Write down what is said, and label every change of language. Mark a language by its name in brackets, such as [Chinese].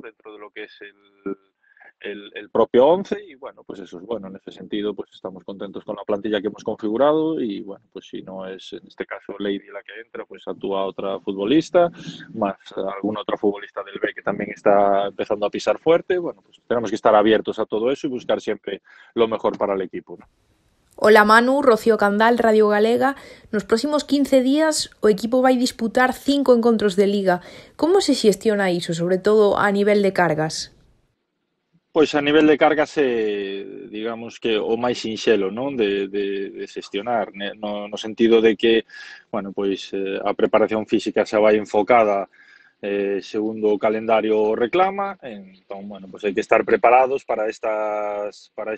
[Spanish] Dentro de lo que es el propio 11 y bueno, pues eso es bueno, en ese sentido pues estamos contentos con la plantilla que hemos configurado y bueno, pues si no es en este caso Lady la que entra, pues actúa otra futbolista, más alguna otra futbolista del B que también está empezando a pisar fuerte, bueno, pues tenemos que estar abiertos a todo eso y buscar siempre lo mejor para el equipo, ¿no? Hola Manu, Rocío Candal, Radio Galega. Los próximos 15 días, [Galician] o equipo [Spanish] va a disputar 5 encuentros de liga. ¿Cómo se gestiona eso, sobre todo a nivel de cargas? Pues a nivel de cargas, digamos que, [Galician] o máis sinxelo, [Spanish] ¿no? De gestionar, ¿no? [Galician] No sentido de que, bueno, pues a preparación física se vai enfocada segundo o calendario reclama, entón, bueno, pues hai que estar preparados para estas